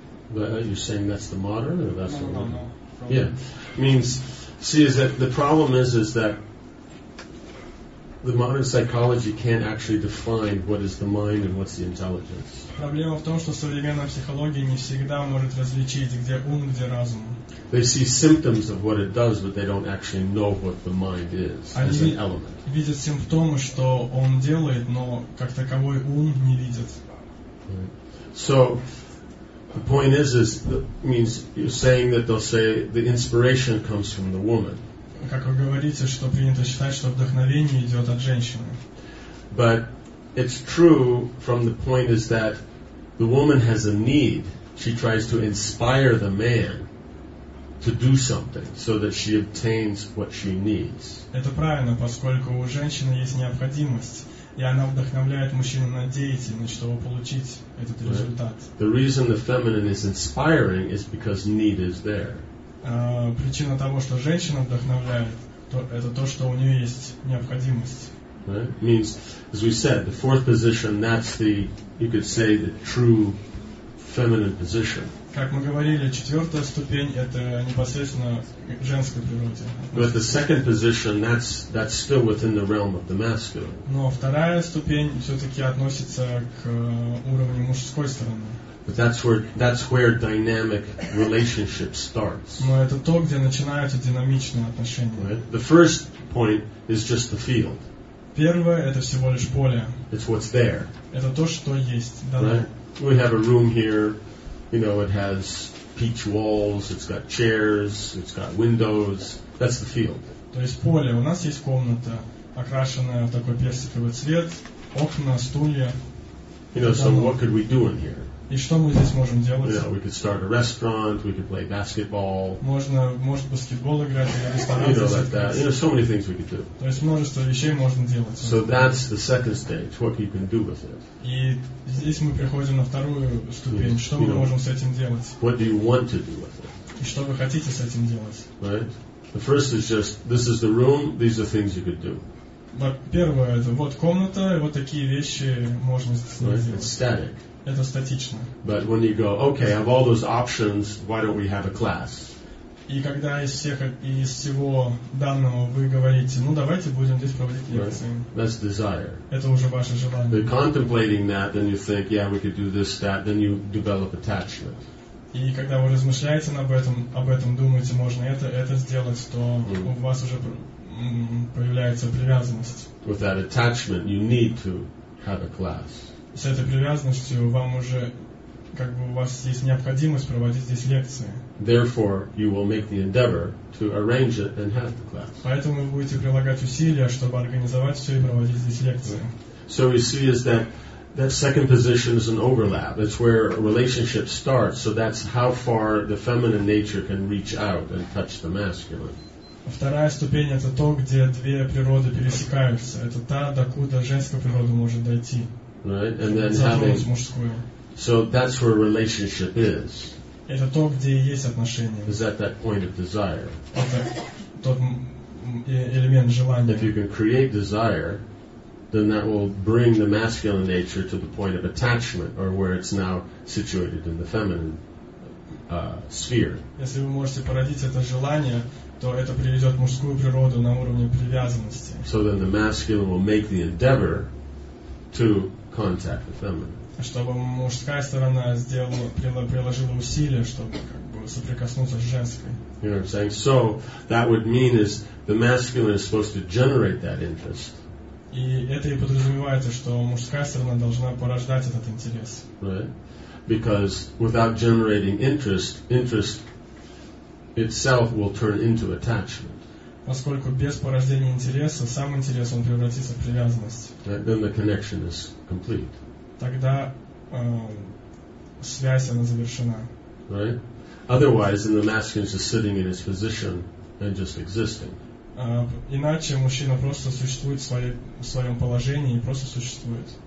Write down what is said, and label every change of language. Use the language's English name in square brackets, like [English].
[English] But are you saying that's the modern or that's the modern? Yeah. Means, see, is that the problem is that the modern psychology can't actually define what is the mind and what's the intelligence. [Russian] Проблема в том, что современная психология не всегда может различить, где ум, где разум. [English] They see symptoms of what it does, but they don't actually know what the mind is as an element. [Russian] Они видят симптомы, что он делает, но как таковой ум не видит. [English] So, the point is that means you're saying that they'll say the inspiration comes from the woman. [Russian] Как вы говорите, что принято считать, что вдохновение идет от женщины. [English] But it's true from the point is that the woman has a need. She tries to inspire the man to do something so that she obtains what she needs. [Russian] Это правильно, поскольку у женщины есть необходимость. И она вдохновляет мужчину на деятельность, чтобы получить этот результат. [English] Right. The reason the feminine is inspiring is because need is there. [Russian] Причина того, что женщина вдохновляет, это то, что у нее есть необходимость. [English] Right. Means, as we said, the fourth position, that's the, you could say, the true feminine position. [Russian] Как мы говорили, четвертая ступень это непосредственно женской природе. [English] But the second position, that's still within the realm of the masculine. [Russian] Но вторая ступень все-таки относится к уровню мужской стороны. [English] But that's where dynamic relationship starts. [Russian] Но это то, где начинаются динамичные отношения. [English] The first point is just the field. [Russian] Первое — это всего лишь поле. [English] It's what's there. [Russian] Это то, что есть. Да, [English] right? We have a room here, you know, it has peach walls, it's got chairs, it's got windows. That's the field. [Russian] То есть поле. У нас есть комната, окрашенная в такой персиковый цвет, окна, стулья. [English] You know, so what could we do in here? [Russian] И что мы здесь можем делать? [English] You know, we could start a restaurant, we could play basketball. [Russian] Можно, может, баскетбол играть или ресторан. [English] You know, like that. You know, so many things we could do. [Russian] То есть множество вещей можно делать. [English] So that's the second stage, what you can do with it. [Russian] И здесь мы приходим на вторую ступень. Что мы можем с этим делать? [English] What do you want to do with it? [Russian] И что вы хотите с этим делать? [English] Right? The first is just, this is the room, these are things you could do. [Russian] Первое, это вот комната, и вот такие вещи можно с ней делать. [English] It's static. [Russian] Это статично. [English] But when you go, okay, I have all those options, why don't we have a class? [Russian] И когда из всех и из всего данного вы говорите, ну давайте будем здесь проводить лекции. [English] Right. That's desire. [Russian] Это уже ваше желание. [English] But contemplating that, then you think, yeah, we could do this, that, then you develop attachment. [Russian] И когда вы размышляете об этом думаете, можно это сделать, то у вас уже появляется привязанность. [English] With that attachment, you need to have a class. [Russian] С этой привязанностью вам уже, как бы, у вас есть необходимость проводить здесь лекции. [English] Therefore, you will make the endeavor to arrange it and have the class. [Russian] Поэтому вы будете прилагать усилия, чтобы организовать все и проводить здесь лекции. [English] So we see is that that second position is an overlap. It's where a relationship starts. So that's how far the feminine nature can reach out and touch the masculine. [Russian] Вторая ступень — это то, где две природы пересекаются. Это та, докуда женская природа может дойти. [English] Right, and then having. So that's where relationship is. [Russian] Это то, где есть отношения. [English] Is at that point of desire. [Russian] Это тот элемент желания. [English] If you can create desire, then that will bring the masculine nature to the point of attachment, or where it's now situated in the feminine sphere. [Russian] Если вы можете породить это желание, то это приведет мужскую природу на уровне привязанности. [English] So then the masculine will make the endeavor to contact the feminine. [Russian] Чтобы мужская сторона сделала, приложила усилия, чтобы как бы соприкоснуться с женской. [English] You know what I'm saying? So that would mean is the masculine is supposed to generate that interest. [Russian] И это и подразумевается, что мужская сторона должна порождать этот интерес. [English] Right? Because without generating interest, interest itself will turn into attachment. [Russian] Поскольку без порождения интереса сам интерес он превратится в привязанность. [English] Then the connection is complete. [Russian] Тогда связь она завершена. [English] Right? Otherwise, then the masculine is just sitting in his position and just existing. [Russian] Иначе мужчина просто существует в своем положении и просто существует.